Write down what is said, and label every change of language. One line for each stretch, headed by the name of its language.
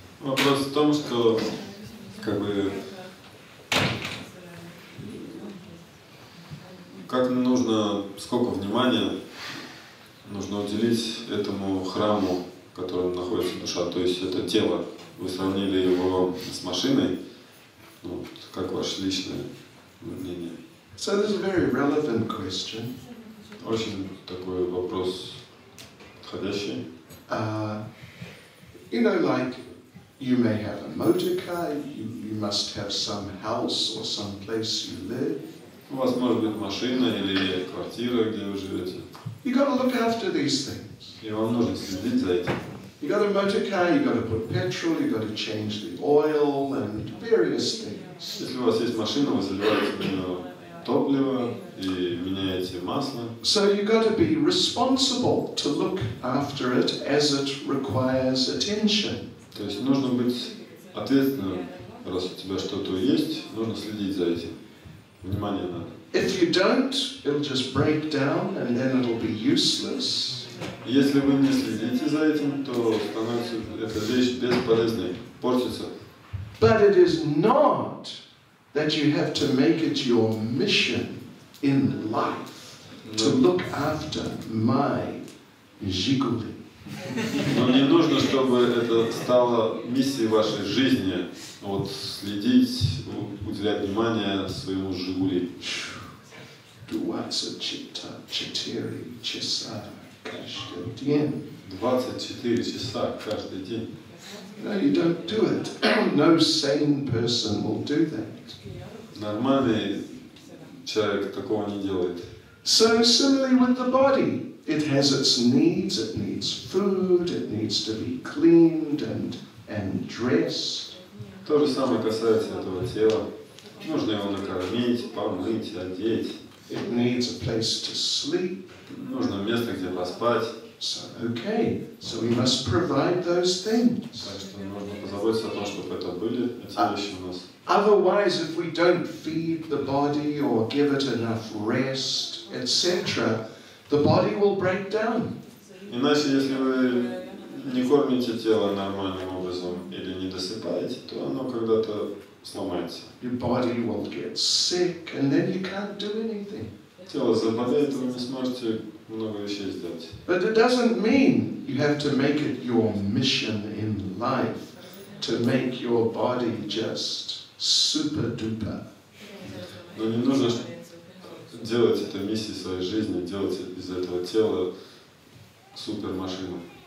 Russian: Вопрос в том, что, как бы, как нужно, сколько внимания нужно уделить этому храму, в котором находится душа, то есть это тело. Вы сравнили его с машиной. Ну, как ваше личное мнение?
English: So this is a very relevant question.
Russian: Очень такой вопрос подходящий.
English: You know, like, you may have a motor car, you must have some house or some place you live.
Russian: У вас может быть машина или квартира, где вы живете.
English: You gotta look after these things.
Russian: И вам нужно следить за этим.
English: You got a motor car, you gotta put petrol, you gotta change the oil and various things.
Russian: Если у вас есть машина, вы заливаете в нее топливо и меняете масло.
English: So you gotta be responsible to look after it as it requires attention.
Russian: То есть нужно быть ответственным, раз у тебя что-то есть, нужно следить за этим. Внимание надо.
English: If you don't, it'll just break down and then it'll be useless.
Russian: Если вы не следите за этим, то становится эта вещь бесполезной, портится.
English: But it is not that you have to make it your mission in life to look after my жигули.
Russian: Но не нужно, чтобы это стало миссией вашей жизни, вот следить, уделять внимание своему жигули. Двадцать четыре часа каждый день. 24 часа каждый день.
English: No, you don't do it. No sane person will do that.
Russian: Нормальный человек такого не делает.
English: So similarly with the body. It has its needs, it needs food, it needs to be cleaned and dressed.
Russian: То же самое касается этого тела. Нужно его накормить, помыть, одеть.
English: It needs a place to sleep.
Russian: Нужно место, где поспать.
English: So, okay, so we must provide those things.
Russian: Так что нужно позаботиться о том, чтобы это были эти вещи у нас.
English: Otherwise, if we don't feed the body or give it enough rest, etc., the body will break down.
Russian: Иначе, если вы не кормите тело нормальным образом или не досыпаете, то оно когда-то сломается.
English: Your body will get sick, and then you can't do anything.
Russian: Тело заболеет, вы не сможете много вещей сделать.
English: But it doesn't mean you have to make it your mission in life to make your body just super duper.
Russian: Но не нужно делать это миссией своей жизни, делать из этого тела супер машину.